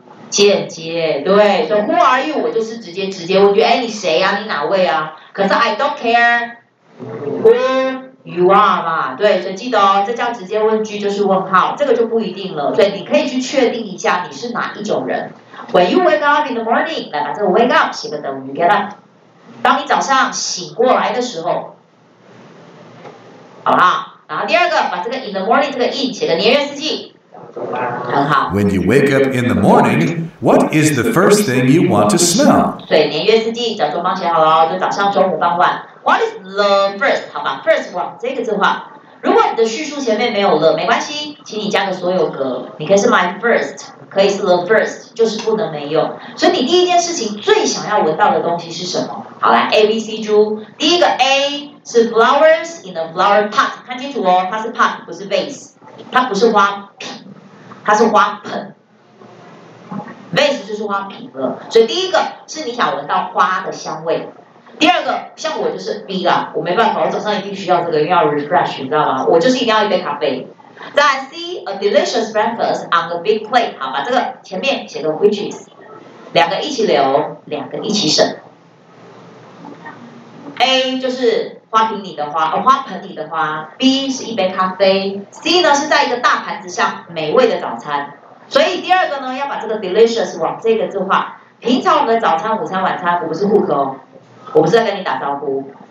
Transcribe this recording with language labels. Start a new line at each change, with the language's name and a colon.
Chinese: 间接对，所以
English: Who are you？
Chinese: 我就是直接问句，哎，你谁啊？你哪位啊？可是
English: I don't care who you are
Chinese: 嘛，对，所以记得哦，这叫直接问句，就是问号，这个就不一定了，所以你可以去确定一下你是哪一种人。
English: When you wake up in the morning，
Chinese: 来把这个 wake up 写个等于 get up， 当你早上醒过来的时候，好不好？然后第二个，把这个 in the morning 这个 in 写个年月四季，很好。
English: When you wake up in the morning， what is the first thing you want to smell？
Chinese: 对，年月四季，早中帮写好了，就早上、中午、傍晚。
English: What is the first？
Chinese: 好吧 ，first 往这个字画。如果你的叙述前面没有了，没关系，请你加个所有格，你可以是 my first。可以是 the first， 就是不能没有。所以你第一件事情最想要闻到的东西是什么？好来 ，A B C 猪，第一个 A 是
English: flowers in a flower pot，
Chinese: 看清楚哦，它是 pot 不是 vase， 它不是花瓶，它是花盆。 vase 就是花瓶了。所以第一个是你想闻到花的香味。第二个，像我就是 B 啦，我没办法，我早上一定需要这个，因为要 refresh， 你知道吗？我就是一定要一杯咖啡。再
English: see a delicious breakfast on a big plate，
Chinese: 好，把这个前面写个 which is， 两个一起留，两个一起省。 A 就是花瓶里的花，花盆里的花。 B 是一杯咖啡。C 呢是在一个大盘子上美味的早餐。所以第二个呢要把这个 delicious 往这个字画。平常我们的早餐、午餐、晚餐，我不是顾客哦，我不是在跟你打招呼。